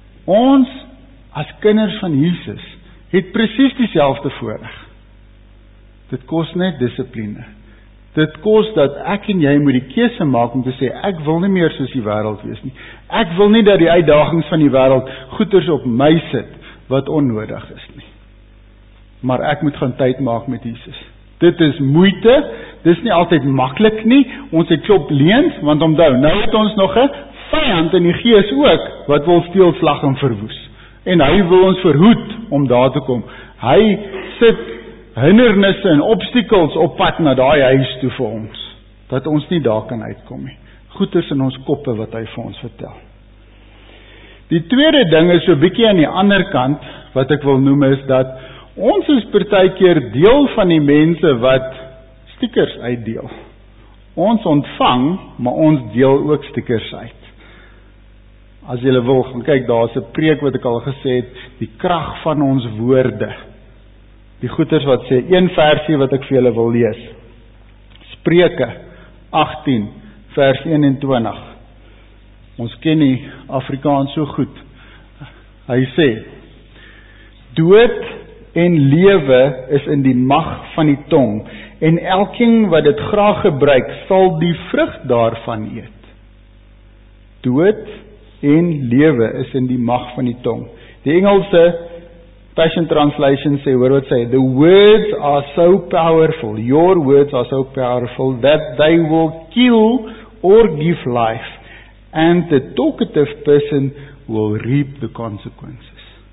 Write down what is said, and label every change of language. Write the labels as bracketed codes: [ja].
[af] Ons, as kinders van Jesus, het precies dieselfde voorreg. Dit kos net dissipline. Dit kos dat ek en jy moet die keuse maak om te sê, ek wil nie meer soos die wêreld wees nie. Ek wil nie dat die uitdagings van die wêreld goeders op my sit, wat onnodig is nie. Maar ek moet gaan tyd maak met Jesus. Dit is moeite, dit is nie altyd maklik nie, ons het klop leens, want omdou, nou het ons nog een vijand in die gees ook, wat wil steel, slag en verwoes. En hy wil ons verhoed om daar te kom. Hy sit hindernisse en obstakels op pad na daai huis toe vir ons, dat ons nie daar kan uitkom nie. Goed is in ons koppe wat hy vir ons vertel. Die tweede ding is so bietjie aan die ander kant, wat ek wil noem is dat ons is partykeer deel van die mense wat stickers uitdeel. Ons ontvang, maar ons deel ook stickers uit. As jy wil gaan kyk, daar is 'n preek wat ek al gesê het, die krag van ons woorde. Die goeders wat sê, een versie wat ek vir julle wil lees. Spreuke 18 vers 21. Ons ken die Afrikaans so goed. Hy sê, dood en lewe is in die mag van die tong, en elkeen wat dit graag gebruik, sal die vrug daarvan eet. Dood en lewe is in die mag van die tong. Die Engelse Passion Translation sê, hoor wat sê, [en] the words are so powerful, your words are so powerful, that they will kill or give life, and the talkative person will reap the consequences.